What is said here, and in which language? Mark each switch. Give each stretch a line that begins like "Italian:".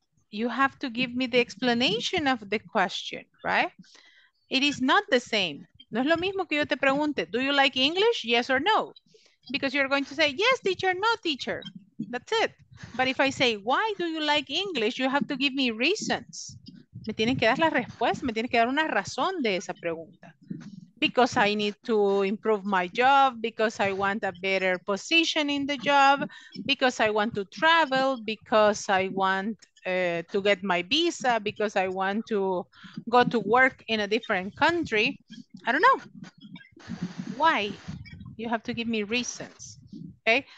English: You have to give me the explanation of the question, right? It is not the same.
Spanish: No es lo mismo que yo te pregunte,
English: do you like English? Yes or no? Because you're going to say, yes, teacher, no, teacher. That's it. But if I say, why do you like English? You have to give me reasons.
Spanish: Me tienen que dar la respuesta, me tienen que dar una razón de esa pregunta.
English: Because I need to improve my job, because I want a better position in the job, because I want to travel, because I want to get my visa, because I want to go to work in a different country. I don't know. Why? You have to give me reasons. Okay?